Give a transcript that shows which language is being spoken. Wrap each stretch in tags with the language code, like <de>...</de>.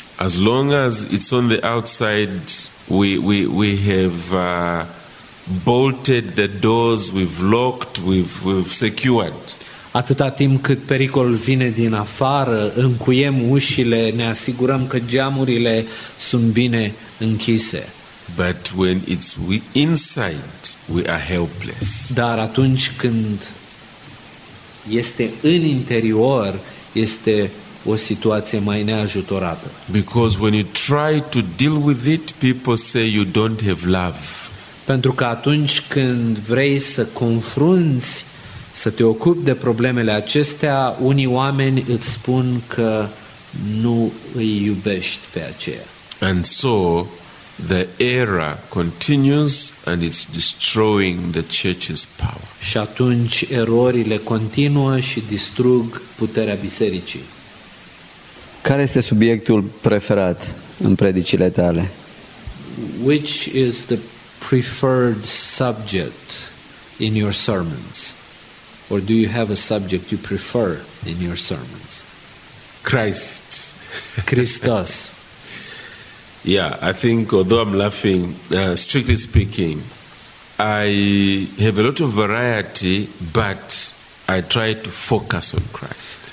<en>As long as it's on the outside, we have bolted the doors, we've locked, we've secured.</en> <ro>Atâta timp cât pericol vine din afară, încuiem ușile, ne asigurăm că geamurile sunt bine închise.</ro> <en>But when it's inside, we are helpless.</en> <ro>Dar atunci când este în interior, este o situație mai neajutorată.</ro> <en>Because when you try to deal with it, people say you don't have love.</en> <ro>Pentru că atunci când vrei să confrunți, să te ocupi de problemele acestea, unii oameni îți spun că nu îi iubești pe aceea.</ro> <en>And so the error continues and it's destroying the church's power.</en> <ro>Și atunci erorile continuă și distrug puterea bisericii. Care este subiectul preferat în predicile tale?</ro> <en>Which is the preferred subject in your sermons? Or do you have a subject you prefer in your sermons? Christ.</en> <ro>Christos.</ro> <en>Yeah, I think, although I'm laughing, strictly speaking, I have a lot of variety, but I try to focus on Christ.</en>